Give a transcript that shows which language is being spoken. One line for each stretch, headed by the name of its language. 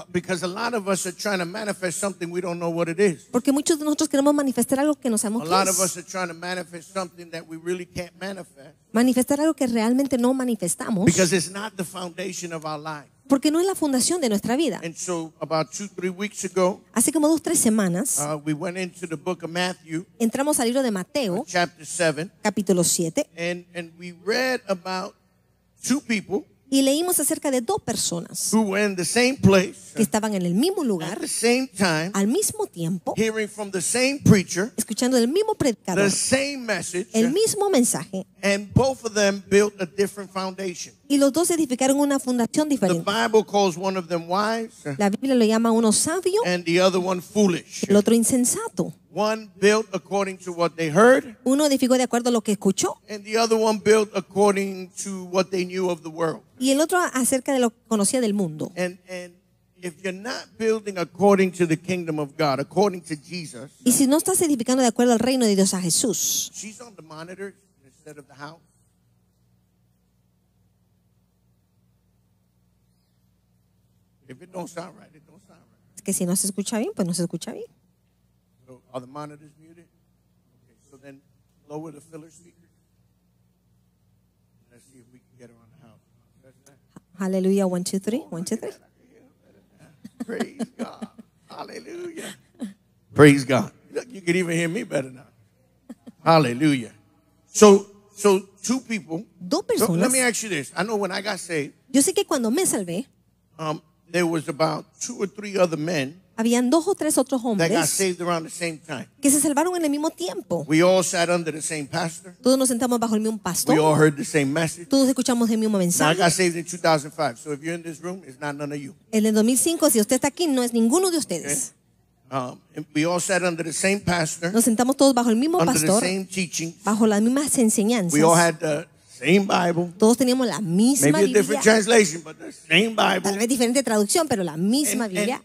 English: Because a lot of us are trying to manifest something we don't know what it is.
Spanish: Porque muchos de nosotros queremos manifestar algo que no sabemos qué es.
English: A lot of us are trying to manifest something that we really can't manifest.
Spanish: Manifestar algo que realmente no manifestamos.
English: Because it's not the foundation of our life.
Spanish: Porque no es la fundación de nuestra vida.
English: And so about 2-3 weeks ago,
Spanish: hace como 2-3 semanas,
English: we went into the book of Matthew,
Spanish: entramos al libro de Mateo,
English: chapter 7,
Spanish: capítulo 7,
English: and we read about 2 people,
Spanish: y leímos acerca de 2 personas
English: who were in the same place,
Spanish: que estaban en el mismo lugar,
English: at the same time,
Spanish: al mismo tiempo,
English: hearing from the same preacher,
Spanish: escuchando del mismo predicador,
English: the same message,
Spanish: el mismo mensaje,
English: and both of them built a different foundation.
Spanish: Y los dos edificaron una fundación diferente.
English: The Bible calls one of them wise,
Spanish: la Biblia lo llama uno sabio,
English: and the other one foolish,
Spanish: el otro insensato.
English: One built according to what they heard,
Spanish: uno edificó de acuerdo a lo que escuchó,
English: and the other one built according to what they knew of the world,
Spanish: y el otro acerca de lo que conocía del mundo.
English: And if you're not building according to the kingdom of God, according to Jesus,
Spanish: y si no estás edificando de acuerdo al reino de Dios, a Jesús,
English: she's on the monitor instead of the house. If it don't sound right, it don't sound right.
Spanish: Es que si no se escucha bien, pues no se escucha bien.
English: So, are the monitors muted? Okay, so then lower the filler speaker. Let's see if we can get her on the house. Hallelujah, 1, 2, 3. Praise God. Hallelujah. Praise God. Look, you can even hear me better now. Hallelujah. So 2 people.
Spanish: 2 personas.
English: So, let me ask you this. I know when I got saved.
Spanish: Yo sé que cuando me salvé.
English: There was about 2 or 3 other men.
Spanish: Habían 2 o 3 otros hombres.
English: That got saved around the same time.
Spanish: Que se salvaron en el mismo tiempo.
English: We all sat under the same pastor.
Spanish: Todos nos sentamos bajo el mismo pastor.
English: We all heard the same message.
Spanish: Todos escuchamos el mismo mensaje.
English: Now, I got saved in 2005. So if you're in this room, it's not none of you.
Spanish: En el 2005, si usted está aquí, no es ninguno de ustedes.
English: Okay. We all sat under the same pastor.
Spanish: Nos sentamos todos bajo el mismo pastor.
English: Under the same teaching.
Spanish: Bajo las mismas enseñanzas.
English: We all had the same Bible.
Spanish: Todos teníamos la misma Biblia.
English: Maybe a different translation, but the same Bible.
Spanish: Tal vez diferente traducción, pero la misma Biblia.